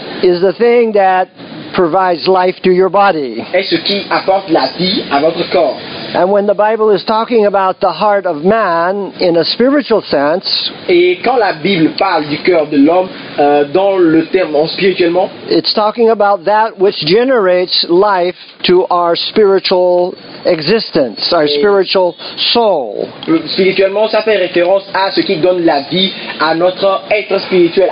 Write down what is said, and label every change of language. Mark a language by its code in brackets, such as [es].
[en] Is the thing that provides life to your body. [fr] Est ce qui apporte la vie à votre corps. [en] And when the Bible is talking about the heart of man in a spiritual sense, [fr] et quand la Bible parle du cœur de l'homme dans le terme spirituellement, [en] it's talking about that which generates life to our spiritual existence, our spiritual soul. [fr] Spirituellement, ça fait référence à ce qui donne la vie à notre être spirituel.